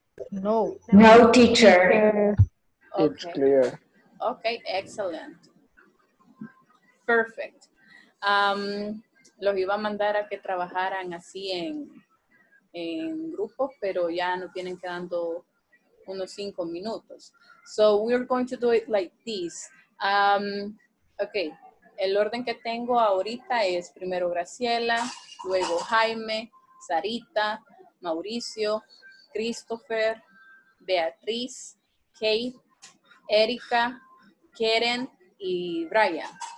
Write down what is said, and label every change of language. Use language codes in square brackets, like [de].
[en] No. No, teacher. Okay. It's clear. Okay, excellent. Perfect. [es] Los iba a mandar a que trabajaran así en grupos, pero ya nos vienen quedando unos 5 minutos. [en] So we're going to do it like this. Okay. [es] El orden que tengo ahorita es primero Graciela, luego Jaime, Sarita, Mauricio, Christopher, Beatriz, Kate, Erika, Karen, y Brian.